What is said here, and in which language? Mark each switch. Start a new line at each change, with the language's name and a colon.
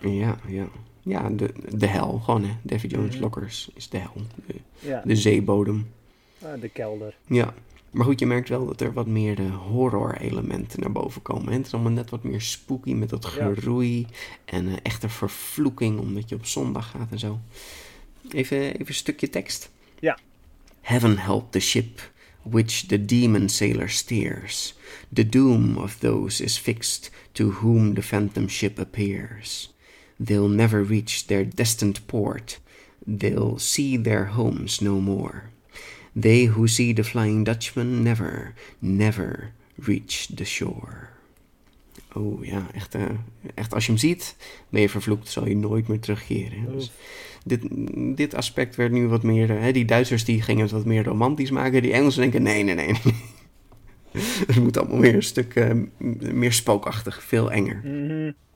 Dutch: Ja, ja. Ja, de hel gewoon, hè. Davy Jones Lockers is de hel. De zeebodem. De kelder. Ja. Maar goed, je merkt wel dat er wat meer de horror-elementen naar boven komen. Het is allemaal net wat meer spooky met dat geroei en een echte vervloeking omdat je op zondag gaat en zo. Even een stukje tekst. Ja.
English: Heaven help the ship which the demon sailor steers. The doom of those is fixed to whom the phantom ship appears. They'll never reach their destined port. They'll see their homes no more. They who see the Flying Dutchman never, never reach the shore.
Dutch: Oh ja, echt als je hem ziet, ben je vervloekt, zal je nooit meer terugkeren. Dus dit aspect werd nu wat meer, hè, die Duitsers die gingen het wat meer romantisch maken, die Engelsen denken nee. Het moet allemaal weer een stuk meer spookachtig, veel enger. Mm-hmm.